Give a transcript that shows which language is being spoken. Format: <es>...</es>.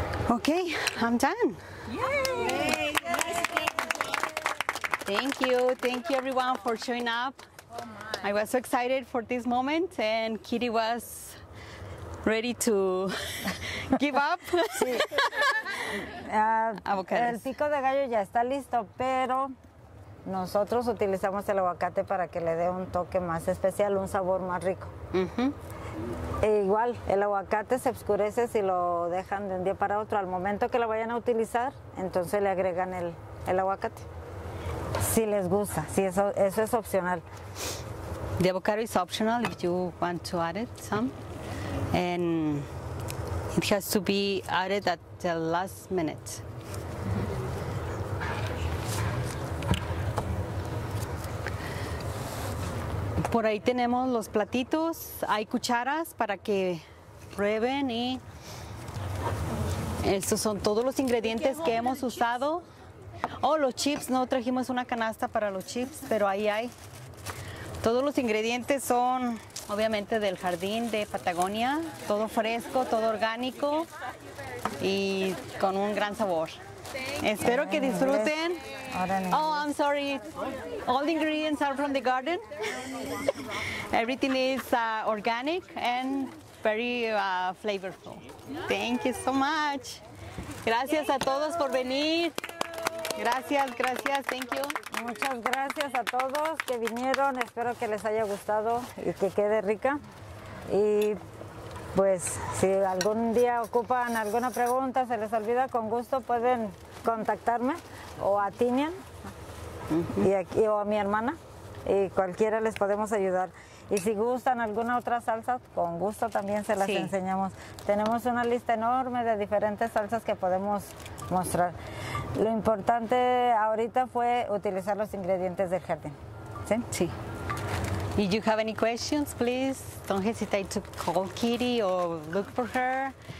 <en>Okay, I'm done. Yay! Thank you, everyone, for showing up. Oh my. I was so excited for this moment, and Kitty was ready to give up.</en> <es>Sí. El pico de gallo ya está listo, pero nosotros utilizamos el aguacate para que le dé un toque más especial, un sabor más rico. Uh-huh. E igual, el aguacate se oscurece si lo dejan de un día para otro. Al momento que lo vayan a utilizar, entonces le agregan el aguacate. Si les gusta, si eso es opcional. The avocado is optional if you want to add it some. And it has to be added at the last minute. Por ahí tenemos los platitos. Hay cucharas para que prueben. Y estos son todos los ingredientes que hemos usado. Oh, los chips. No trajimos una canasta para los chips, pero ahí hay. Todos los ingredientes son... obviamente del jardín de Patagonia, todo fresco, todo orgánico y con un gran sabor. Espero que disfruten.</es> <en>Oh, I'm sorry. All the ingredients are from the garden. Everything is organic and very flavorful. Thank you so much.</en> <es>Gracias a todos por venir. Gracias,</es> <en>thank you.</en> <es>Muchas gracias a todos que vinieron. Espero que les haya gustado y que quede rica. Y pues si algún día ocupan alguna pregunta, se les olvida, con gusto pueden contactarme o a Tinian o a mi hermana y cualquiera les podemos ayudar. Y si gustan alguna otra salsa, con gusto también se las enseñamos. Tenemos una lista enorme de diferentes salsas que podemos mostrar. Lo importante ahorita fue utilizar los ingredientes del jardín. ¿Sí? Sí.</es> <en>If you have any questions, please don't hesitate to call Kitty or look for her.</en>